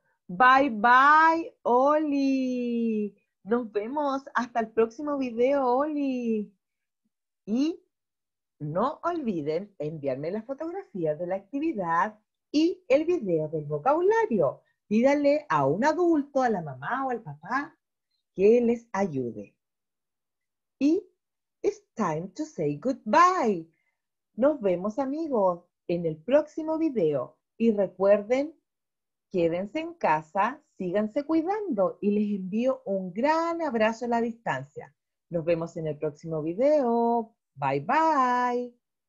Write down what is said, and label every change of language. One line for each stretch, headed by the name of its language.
Spanish: Bye bye, Oli. Nos vemos hasta el próximo video, Oli. Y no olviden enviarme la fotografía de la actividad y el video del vocabulario. Pídale a un adulto, a la mamá o al papá, que les ayude.
English: Y it's time to say goodbye.
Spanish: Nos vemos, amigos, en el próximo video. Y recuerden, quédense en casa, síganse cuidando y les envío un gran abrazo a la distancia. Nos vemos en el próximo video. Bye, bye.